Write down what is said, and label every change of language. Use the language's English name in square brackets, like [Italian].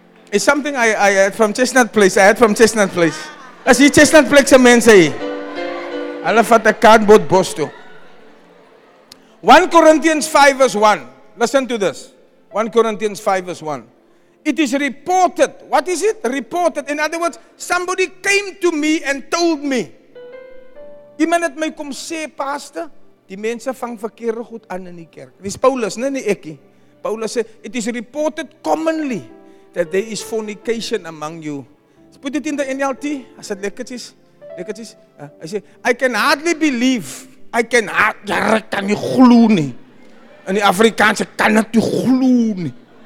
[English] It's something I had from Chestnut Place. I had from Chestnut Place. I see Chestnut Place a man say, I love the cardboard boss too. 1 Corinthians 5 verse 1. Listen to this. 1 Corinthians 5 verse 1. It is reported. What is it? Reported. In other words, somebody came to me and told me. [Afrikaans] Iemand het my kom sê, Pastor, die mense vang verkeerde goed aan in die kerk. Dis Paulus, nie ekie. Paulus sê, [English] it is reported commonly that there is fornication among you. Let's put it in the NLT. I said, lekkertjes, lekkertjes. I said, I can hardly believe. I can hardly, [Afrikaans] ja, ek kan nie glo nie. In die Afrikaanse kan het nie glo nie.